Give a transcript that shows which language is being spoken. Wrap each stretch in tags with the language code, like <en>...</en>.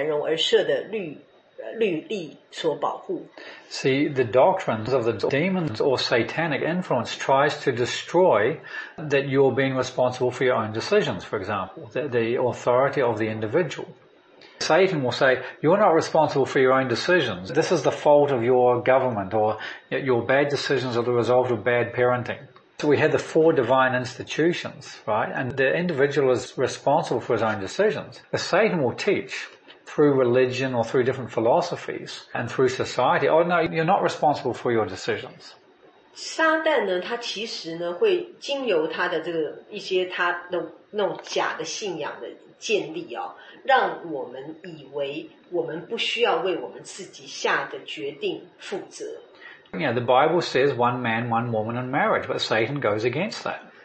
<zh>因为这边提到的是不信者可以免受魔鬼影响，因为他们被神为社会稳定繁荣而设的律例所保护。</zh> <en>See, the doctrines of the demons or satanic influence tries to destroy that you're being responsible for your own decisions, for example, the authority of the individual. Satan will say, you're not responsible for your own decisions. This is the fault of your government, or your bad decisions are the result of bad parenting. So we had the four divine institutions, right? And the individual is responsible for his own decisions. But Satan will teach through religion or through different philosophies and through society, oh no, you're not responsible for your decisions.</en> <zh>撒旦呢，他其实呢会经由他的这个一些他的那种假的信仰的建立哦，让我们以为我们不需要为我们自己下的决定负责。</zh> <en>Yeah, the Bible says one man, one woman in marriage, but Satan goes against that.</en>